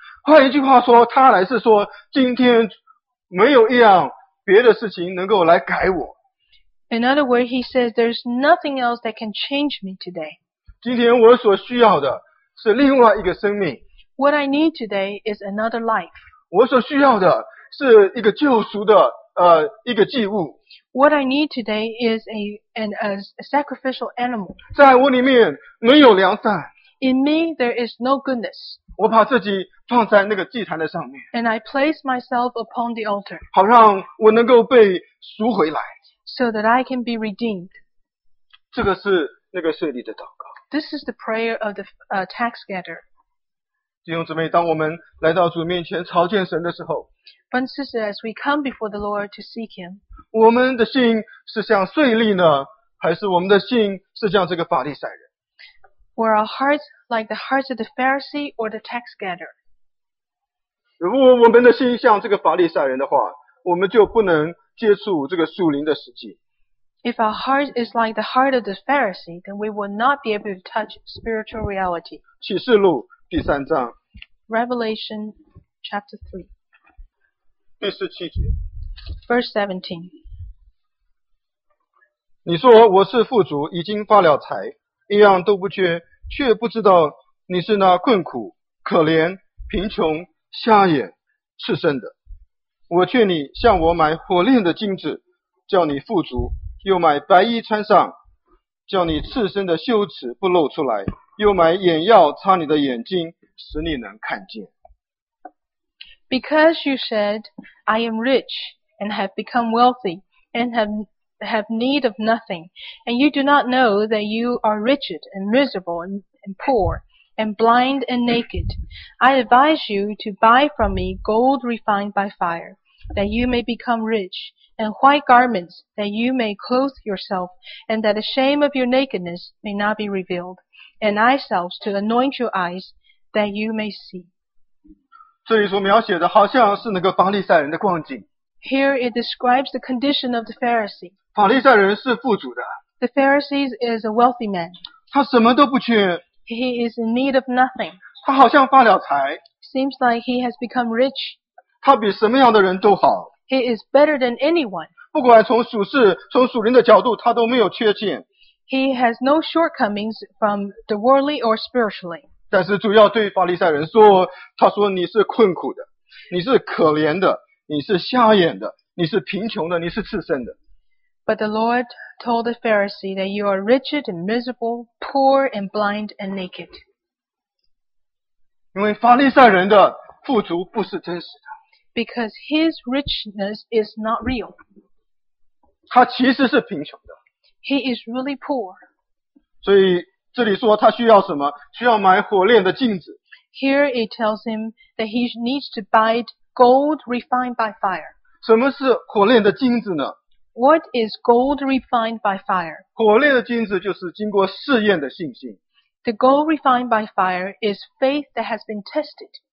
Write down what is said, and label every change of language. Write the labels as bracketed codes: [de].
[zh] 换一句话说，他来是说，今天没有一样别的事情能够来改我。 [en] In other words, he says there's nothing else that can change me today. [zh] 今天我所需要的是另外一个生命。 [en] What I need today is another life. [zh] 我所需要的是一个救赎的一个祭物。 [en] What I need today is a sacrificial animal. [zh] 在我里面没有良善。 [en] In me, there is no goodness. [zh] 我把自己放在那个祭坛的上面。 [en] And I place myself upon the altar. [zh] 好让我能够被赎回来。 [en] So that I can be redeemed. [zh] 这个是那个税吏的祷告。 [en] This is the prayer of the tax gatherer. [zh] 弟兄姊妹，当我们来到主面前朝见神的时候， [en] But sister, as we come before the Lord to seek him, [zh] 我们的心是像税吏呢，还是我们的心是像这个法利赛人？ [en] Were our hearts like the hearts of the Pharisee or the tax gatherer? [zh] 如果我们的心像这个法利赛人的话，我们就不能接触这个属灵的实际。 [en] If our heart is like the heart of the Pharisee, then we will not be able to touch spiritual reality. [zh] 启示录第三章。 [en] Revelation chapter 3. [zh] 第十七节。 [en] Verse 17. [zh] 你说我是富足，已经发了财。一样都不缺，却不知道你是那困苦、可怜、贫穷、瞎眼、赤身的。我劝你向我买火炼的金子，叫你富足；又买白衣穿上，叫你赤身的羞耻不露出来；又买眼药擦你的眼睛，使你能看见。 [en] Because you said, I am rich and have become wealthy and have need of nothing, and you do not know that you are wretched and miserable and poor and blind and naked. I advise you to buy from me gold refined by fire, that you may become rich, and white garments, that you may clothe yourself, and that the shame of your nakedness may not be revealed, and eye salves to anoint your eyes, that you may see. [zh] 这里所描写的好像是那个法利赛人的光景。 [en] Here it describes the condition of the Pharisee. [zh] 法利赛人是富足的。 [en] The Pharisee is a wealthy man. [zh] 他什么都不缺。 [en] He is in need of nothing. [zh] 他好像发了财。 [en] Seems like he has become rich. [zh] 他比什么样的人都好。 [en] He is better than anyone. [zh] 不管从属世、从属灵的角度，他都没有缺陷。 [en] He has no shortcomings from the worldly or spiritually. [zh] 但是主要对法利赛人说，他说你是困苦的，你是可怜的。你是瞎眼的，你是贫穷的，你是赤身的。 [en] But the Lord told the Pharisee that you are wretched and miserable, poor and blind and naked. [zh] 因为法利赛人的富足不是真实的。 [en] Because his richness is not real. [zh] 他其实是贫穷的。 [en] He is really poor. [zh] 所以这里说他需要什么？需要买火炼的镜子。 [en] Here it tells him that he needs to buy gold refined by fire. [zh] 什么是火炼的镜子呢？ [en] What is gold refined by fire? [zh] 火炼的金子就是经过试验的信心。 [en] The gold refined by fire is faith that has been tested.